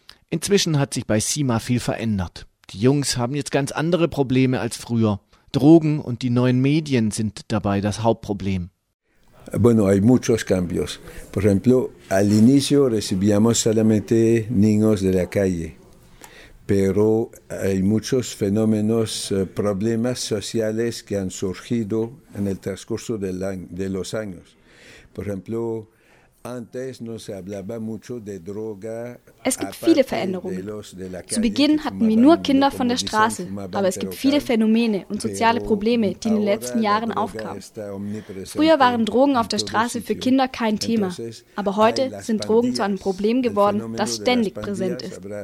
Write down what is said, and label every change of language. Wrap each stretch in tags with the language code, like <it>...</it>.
<de>Inzwischen hat sich bei CIMA viel verändert. Die Jungs haben jetzt ganz andere Probleme als früher. Drogen und die neuen Medien sind dabei das Hauptproblem.</de> <es>Bueno, hay muchos cambios. Por ejemplo, al inicio recibíamos solamente niños de la calle, pero hay muchos fenómenos, problemas sociales que han surgido en el transcurso de los años. Por ejemplo, antes no se hablaba mucho de droga.</es> <de>Es gibt viele Veränderungen. Zu Beginn hatten wir nur Kinder von der Straße, aber es gibt viele Phänomene und soziale Probleme, die in den letzten Jahren aufkamen. Früher waren Drogen auf der Straße für Kinder kein Thema, aber heute sind Drogen zu einem Problem geworden, das ständig präsent ist.</de>